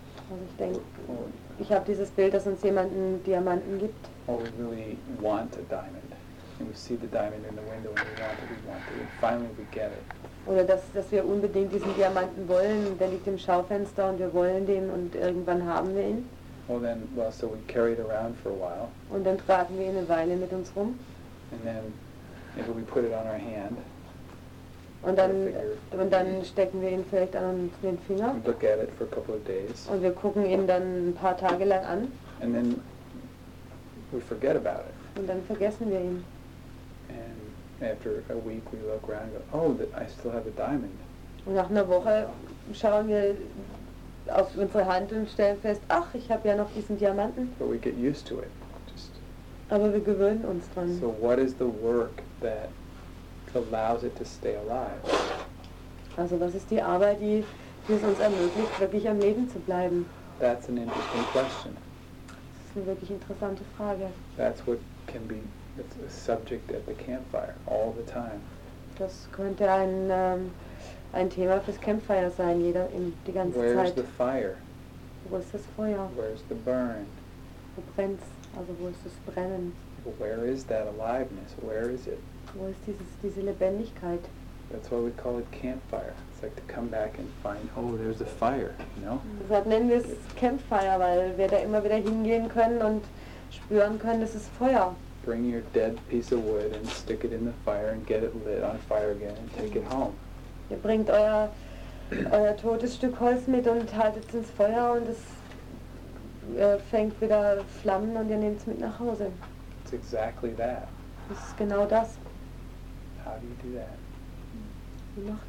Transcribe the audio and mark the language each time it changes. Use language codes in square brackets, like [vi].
[de] Also ich denke, ich habe dieses Bild, dass uns jemand einen Diamanten gibt. [en] Or we really want a diamond. And we see the diamond in the window and we want it. And finally we get it. [de] Oder dass wir unbedingt diesen Diamanten wollen. Der liegt im Schaufenster und wir wollen den und irgendwann haben wir ihn. [en] So we carry it around for a while. [de] Und dann tragen wir ihn eine Weile mit uns rum. [en] And then maybe we put it on our hand. [de] Und dann stecken wir ihn vielleicht an den Finger. [en] And look at it for a couple of days. [de] Und wir gucken ihn dann ein paar Tage lang an. [en] And then we forget about it. [de] Und dann vergessen wir ihn. [en] And after a week we look around and go, oh, I still have a diamond. [de] Und nach einer Woche schauen wir auf unsere Hand und stellen fest, ach, ich habe ja noch diesen Diamanten. [en] But we get used to it. Just. [de] Aber wir gewöhnen uns dran. [en] So what is the work that allows it to stay alive. [de] Also, was ist die Arbeit, die es uns ermöglicht, wirklich am Leben zu bleiben? [en] That's an interesting question. [de] Das ist eine wirklich interessante Frage. [en] That's what can be a subject at the campfire all the time. [de] Das könnte ein Thema fürs Campfire sein, die ganze [en] Where's [de] Zeit. [en] Where's the fire? [de] Wo ist das Feuer? [en] Where's the burn? [de] Wo brennt's? Also, wo ist das Brennen? [en] Where is that aliveness? Where is it? [de] Wo ist diese Lebendigkeit? [en] That's why we call it campfire. It's like to come back and find, oh, there's a fire, you know? [de] Deshalb nennen wir es Campfire, weil wir da immer wieder hingehen können und spüren können, das ist Feuer. [en] Bring your dead piece of wood and stick it in the fire and get it lit on fire again and take it home. [de] Ihr bringt euer totes Stück Holz mit und haltet es ins Feuer und es fängt wieder Flammen und ihr nehmt es mit nach Hause. [en] It's exactly that. [de] Das ist genau das. [en] How do you do that?